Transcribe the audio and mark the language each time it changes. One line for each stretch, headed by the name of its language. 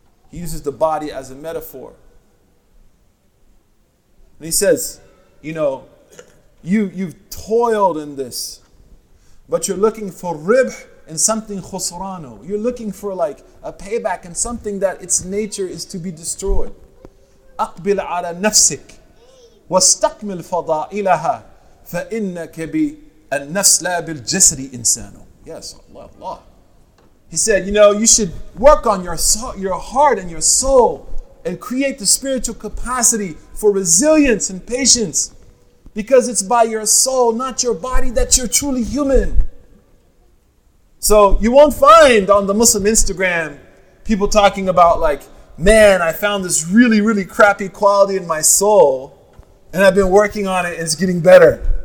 English: He uses the body as a metaphor. And he says, you know, you've toiled in this, but you're looking for ribh and something khusrano. You're looking for like a payback and something that its nature is to be destroyed.
Arabic: أقبل على نفسك واستكمل فضائلها فإنك بالنفس لا بالجسد إنسانو.
English: Yes, Allah, Allah. He said, you know, you should work on your heart and your soul and create the spiritual capacity for resilience and patience, because it's by your soul, not your body, that you're truly human. So you won't find on the Muslim Instagram people talking about like, man, I found this really, really crappy quality in my soul and I've been working on it and it's getting better.